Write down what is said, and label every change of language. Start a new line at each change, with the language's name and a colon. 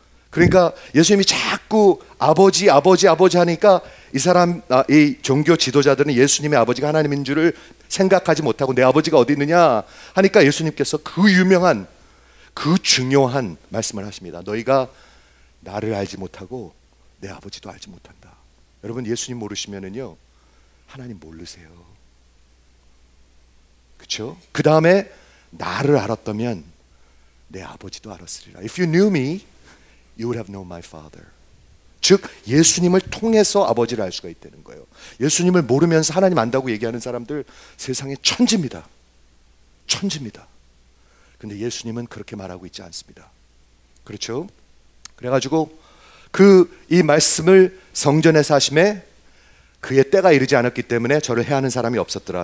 Korean: 그러니까 예수님이 자꾸 아버지 아버지 아버지 하니까 이 사람 이 종교 지도자들은 예수님의 아버지가 하나님인 줄을 생각하지 못하고 내 아버지가 어디 있느냐 하니까 예수님께서 그 유명한 그 중요한 말씀을 하십니다. 너희가 나를 알지 못하고 내 아버지도 알지 못한다. 여러분 예수님 모르시면은요 하나님 모르세요. 그렇죠? 그 다음에 나를 알았다면 내 아버지도 알았으리라.
English: If you knew me, you would have known my father.
Korean: 즉 예수님을 통해서 아버지를 알 수가 있다는 거예요. 예수님을 모르면서 하나님 안다고 얘기하는 사람들 세상에 천지입니다. 천지입니다. 근데 예수님은 그렇게 말하고 있지 않습니다. 그렇죠? 그래가지고 그 이 말씀을 성전에서 하심에 그의 때가 이르지 않았기 때문에 저를 해하는 사람이 없었더라.